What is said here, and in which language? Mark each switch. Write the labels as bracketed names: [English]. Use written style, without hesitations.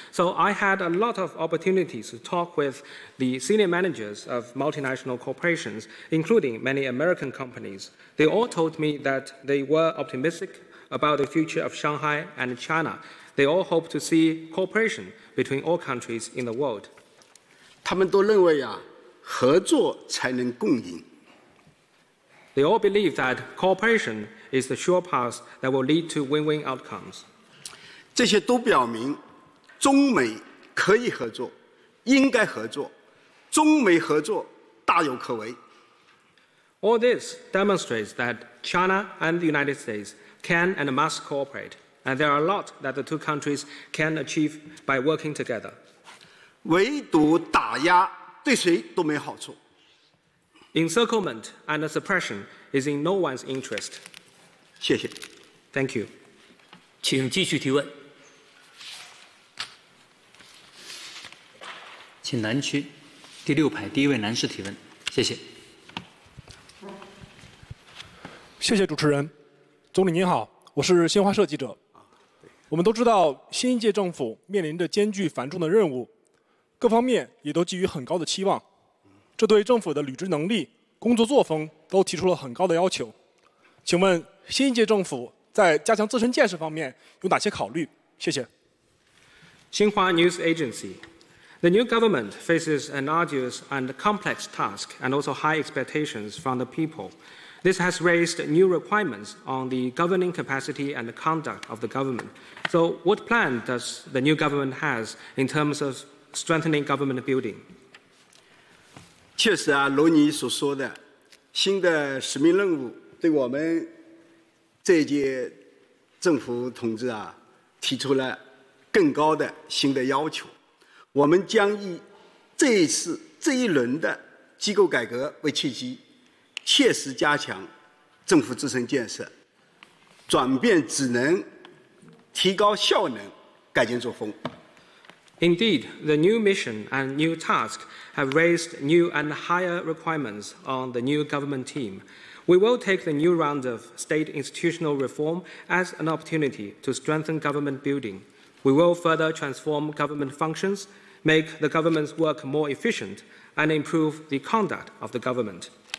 [English] So I had a lot of opportunities to talk with the senior managers of multinational corporations, including many American companies. They all told me that they were optimistic about the future of Shanghai and China. They all hope to see cooperation between all countries in the world. [Chinese] 他们都认为啊，合作才能共赢。 [English] They all believe that cooperation is the sure path that will lead to win-win outcomes. [Chinese] 这些都表明中美可以合作，应该合作，中美合作大有可为。 [English] All this demonstrates that China and the United States can and must cooperate, and there are a lot that the two countries can achieve by working together. [Chinese] 围堵打压对谁都没好处。 [English] Encirclement and suppression is in no one's interest. [Chinese] 谢谢。 [English] Thank you. [Chinese] 请继续提问。请南区第六排第一位男士提问。谢谢。谢谢主持人。总理您好，我是新华社记者。我们都知道新一届政府面临着艰巨繁重的任务，各方面也都寄予很高的期望，这对政府的履职能力、工作作风都提出了很高的要求。请问新一届政府在加强自身建设方面有哪些考虑？谢谢。 [English] 新华 News Agency。 The new government faces an arduous and complex task and also high expectations from the people. This has raised new requirements on the governing capacity and the conduct of the government. So what plan does the new government has in terms of strengthening government building? [Chinese] 确实啊，如你所说的，新的使命任务对我们这届政府同志啊，提出了更高的新的要求。我们将以这一轮的机构改革为契机，切实加强政府自身建设，转变职能，提高效能，改进作风。 [English] Indeed, the new mission and new task have raised new and higher requirements on the new government team. We will take the new round of state institutional reform as an opportunity to strengthen government building. We will further transform government functions, make the government's work more efficient, and improve the conduct of the government.